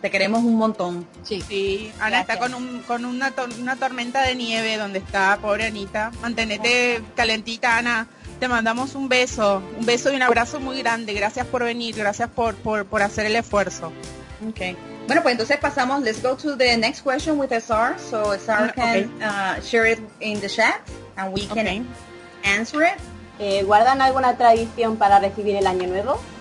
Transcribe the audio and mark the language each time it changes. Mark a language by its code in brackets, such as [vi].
[es] Te queremos un montón. Sí. Ana está con una tormenta de nieve donde está, pobre Anita. Manténete calentita, Ana. Te mandamos un beso y un abrazo muy grande. Gracias por venir, gracias por hacer el esfuerzo. Okay. Bueno, pues entonces pasamos. [en] Let's go to the next question with SR, so SR can share it in the chat and we can answer it. [es] ¿Guardan alguna tradición para recibir el año nuevo?